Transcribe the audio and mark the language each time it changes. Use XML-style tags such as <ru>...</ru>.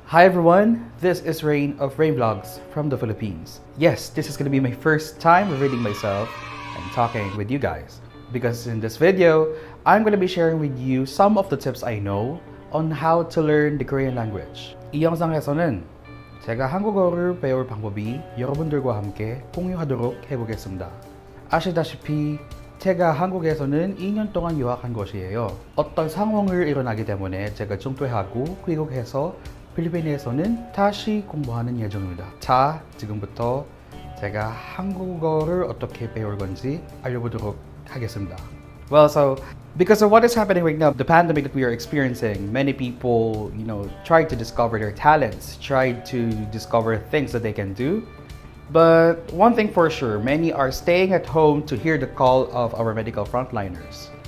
<en>Hi everyone, this is Rein of Rein Vlogs from the Philippines. Yes, this is gonna be my first time revealing myself and talking with you guys. Because in this video, I'm gonna be sharing with you some of the tips I know on how to learn the Korean language.</en> <ko>이 영상에서는 제가 한국어를 배울 방법이 여러분들과 함께 공유하도록 해보겠습니다. 아시다시피 제가 한국에서는 2년 동안 유학한 것이에요. 어떤 상황이 일어나기 때문에 제가 중퇴하고 귀국해서 필리핀에서는 다시 공부하는 예정입니다. 자, 지금부터 제가 한국어를 어떻게 배울 건지 알려보도록 하겠습니다.</ko> <en>Well, so because of what is happening right now, the pandemic that we are experiencing, many people, you know, try to discover their talents, try to discover things that they can do. But one thing for sure, many are staying at home to hear the call of our medical frontliners.</en>